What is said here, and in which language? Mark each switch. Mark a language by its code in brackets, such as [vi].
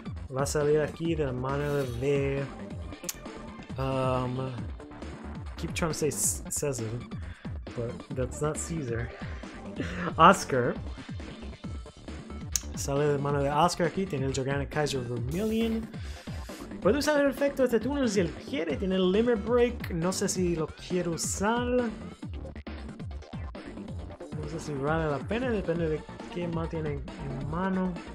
[es] Va a salir aquí de la mano de... [en] keep trying to say Caesar, but that's not Caesar. [es] Oscar. Sale de mano de Oscar aquí, tiene el Gigantic Kaiser Vermillion. Puede usar el efecto de este túnel si él quiere, tiene el Limit Break. No sé si lo quiero usar. No sé si vale la pena, depende de qué más tiene en mano.